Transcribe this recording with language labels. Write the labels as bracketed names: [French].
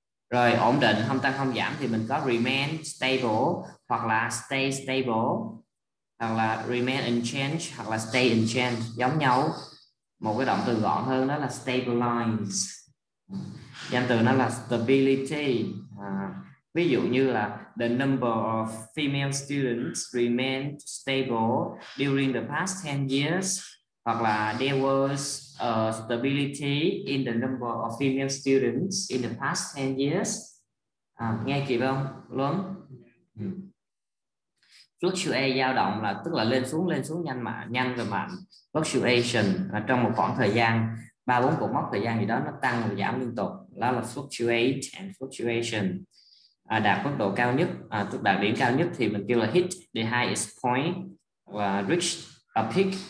[Vietnamese] Rồi ổn định, không tăng không giảm thì mình có remain stable hoặc là stay stable, hoặc là remain unchanged hoặc là stay unchanged, giống nhau. Một cái động từ gọn hơn đó là stabilize. Danh từ nó là stability, Ví dụ như là [English] the number of female students remained stable during the past 10 years, [Vietnamese] hoặc là [English] there was a stability in the number of female students in the past 10 years. [Vietnamese] À, nghe kịp không? Luôn. Fluctuate dao động là tức là lên xuống nhanh mà nhanh và mạnh. Fluctuation là trong một khoảng thời gian 3-4 cột mốc thời gian gì đó nó tăng và giảm liên tục. Đó là fluctuate and fluctuation. À, đạt mức độ cao nhất, à, tức đạt điểm cao nhất thì mình kêu là [English] hit the highest point [Vietnamese] và [English] reach a peak.